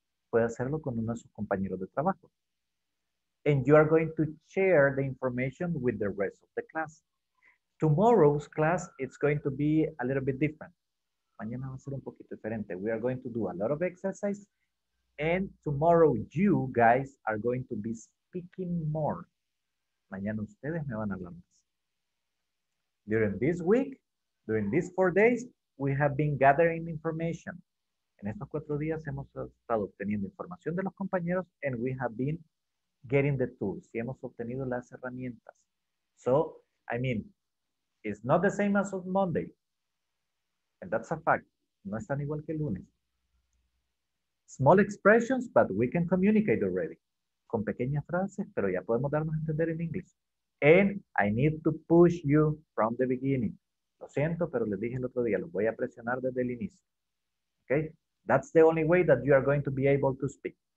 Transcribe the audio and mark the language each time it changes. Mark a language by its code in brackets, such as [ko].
[es] Puede hacerlo con uno de sus compañeros de trabajo. [en] And you are going to share the information with the rest of the class. Tomorrow's class, it's going to be a little bit different. [es] Mañana va a ser un poquito diferente. [en] We are going to do a lot of exercise. And tomorrow, you guys are going to be speaking more. [es] Mañana ustedes me van a hablar más. [en] During this week, during these 4 days, we have been gathering information. [es] En estos 4 días hemos estado obteniendo información de los compañeros [en] and we have been getting the tools. [es] Y hemos obtenido las herramientas. [en] So, I mean, it's not the same as on Monday. And that's a fact. [es] No es tan igual que el lunes. [en] small expressions, but we can communicate already. [es] Con pequeñas frases, pero ya podemos darnos a entender en inglés. [en] And I need to push you from the beginning. [es] Lo siento, pero les dije el otro día, los voy a presionar desde el inicio. [en] Okay? That's the only way that you are going to be able to speak.